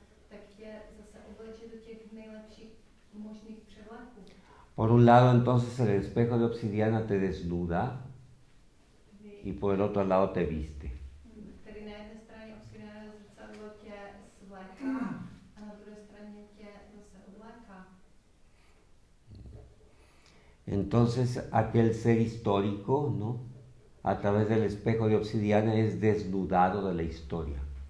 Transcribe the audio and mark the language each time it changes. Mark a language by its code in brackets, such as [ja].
[cs] Tak tě zase obleče do těch nejlepších možných přehlédků. [es] Por un lado, entonces el espejo de obsidiana te desnuda y por el otro lado te viste. [cs] Tedy na jedné straně obsidiana zrcadlo tě svléká a na druhé straně tě zase obléká. [es] Entonces aquel ser histórico, ¿no? A través del espejo de obsidiana es desnudado de la historia.